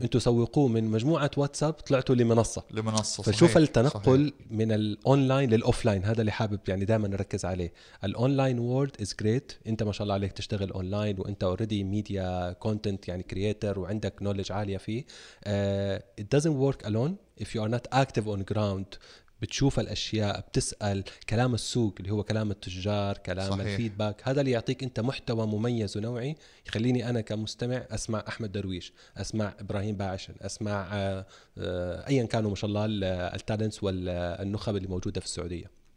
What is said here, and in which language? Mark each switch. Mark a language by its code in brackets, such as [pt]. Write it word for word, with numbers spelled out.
[ar] أنتوا سوقوه من مجموعة واتساب طلعتوا لمنصة لمنصة. فشوف التنقل صحيح. من الأونلاين للأوفلاين، هذا اللي حابب يعني دائما نركز عليه. الأونلاين [en] world is great، [ar] انت ما شاء الله عليك تشتغل اونلاين وانت اوريدي ميديا كونتنت يعني كرييتر وعندك نوليدج عاليه فيه. [en] uh, it doesn't work alone if you are not active on ground. [ar] بتشوف الاشياء، بتسال، كلام السوق اللي هو كلام التجار، كلام صحيح. الفيدباك، هذا اللي يعطيك انت محتوى مميز ونوعي يخليني انا كمستمع اسمع احمد درويش، اسمع ابراهيم باعشن، اسمع آآ آآ ايا كانوا ما شاء الله التالنتس والنخب اللي موجوده في السعوديه.